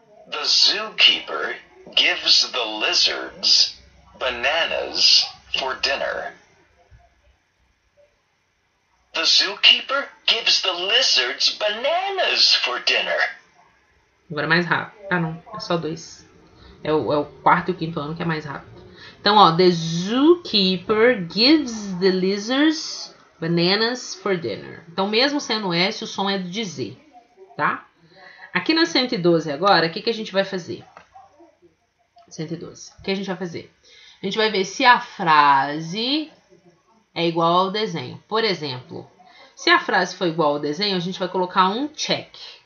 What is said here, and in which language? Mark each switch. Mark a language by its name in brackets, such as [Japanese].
[English] The zookeeper gives the lizards bananas for dinner. The zookeeper gives the lizards bananas for dinner. [Portuguese] Agora é mais rápido. Ah, não. É só dois. É o quarto e o quinto ano que é mais rápido. Então, ó. [English] The zookeeper gives the lizards bananas for dinner. [Portuguese] Então, mesmo sendo S, o som é de Z, tá? Aqui na 112 agora, o que a gente vai fazer? 112. O que a gente vai fazer? A gente vai ver se a frase é igual ao desenho. Por exemplo, se a frase for igual ao desenho, a gente vai colocar um check.